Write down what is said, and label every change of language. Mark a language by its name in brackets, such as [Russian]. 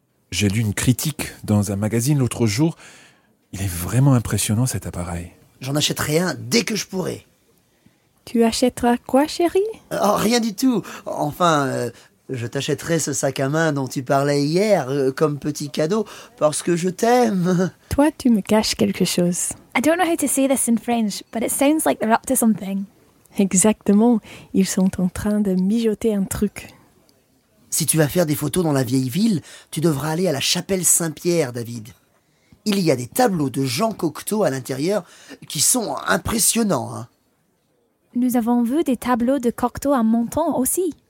[French] J'ai lu une critique dans un magazine l'autre jour. Il est vraiment impressionnant cet appareil. J'en achèterai un dès que je pourrai. Tu achèteras quoi, chérie? Rien du tout. Enfin, je t'achèterai ce sac à main dont tu parlais hier comme petit cadeau parce que je t'aime. Toi, tu me caches quelque chose. [English] I don't know how to say this in French, but it sounds like they're up to something. [French] Exactement. Ils sont en train de mijoter un truc. Si tu vas faire des photos dans la vieille ville, tu devras aller à la chapelle Saint-Pierre, David. Il y a des tableaux de Jean Cocteau à l'intérieur qui sont impressionnants. Hein. Nous avons vu des tableaux de Cocteau à Menton aussi.